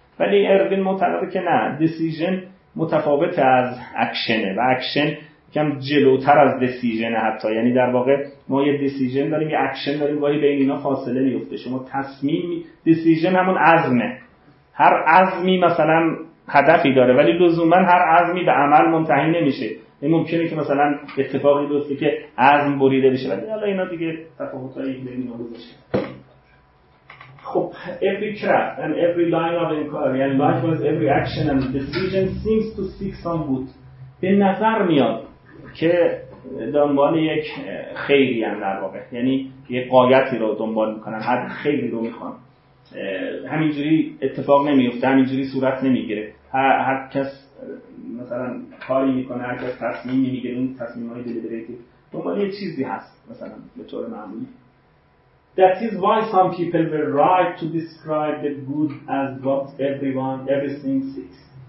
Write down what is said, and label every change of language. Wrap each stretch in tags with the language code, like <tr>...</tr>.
<fa>ولی اروین معتقده که نه، دیسیژن متفاوت از اکشنه و اکشن کم جلوتر از دیسیژنه حتی، یعنی در واقع ما یه دیسیژن داریم یه اکشن داریم، گاهی بین اینا فاصله میفته. شما تصمیم، دیسیژن همون عزمه، هر عزمی مثلا هدفی داره، ولی لزوما هر عزمی به عمل منتهی نمیشه، این ممکنه که مثلا اتفاقی بیفته که عزم بریده بشه، ولی حالا اینا دیگه تفاوتای بین اینا گذاشته.</fa> <en>خب every craft and every line of inquiry and likewise every action and decision seems to speak some good.</en> <fa>به نظر میاد که دنبال یک خیری هم در واقع، یعنی یه غایتی رو دنبال میکنن، هر خیری رو میخوان. همینجوری اتفاق نمیفته، همینجوری صورت نمیگیره، هر کس مثلا کاری میکنه، هر کس تصمیم نمیگیره، اون تصمیم های دلیبریتیو دنبال یه چیزی هست مثلا به طور معمولی.</fa> <en>That is why some people were right to describe the good as what everything seeks.</en>